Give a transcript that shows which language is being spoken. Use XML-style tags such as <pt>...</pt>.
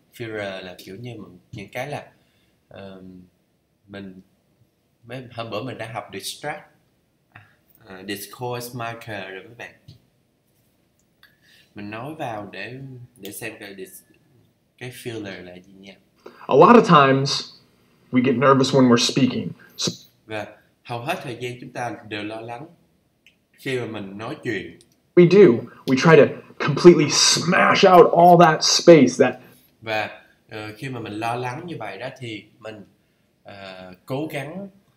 <vi>Filler là kiểu như những cái là hôm bữa mình đã học distract, discourse marker rồi các bạn. Mình nói vào để xem cái filler là gì nha.</vi> <en>A lot of times we get nervous when we're speaking. So,</en> <vi>và hầu hết thời gian chúng ta đều lo lắng khi mà mình nói chuyện.</vi> <en>We do. We try to completely smash out all that space that.</en> <vi>Và khi mà mình lo lắng như vậy đó thì mình cố gắng.</vi>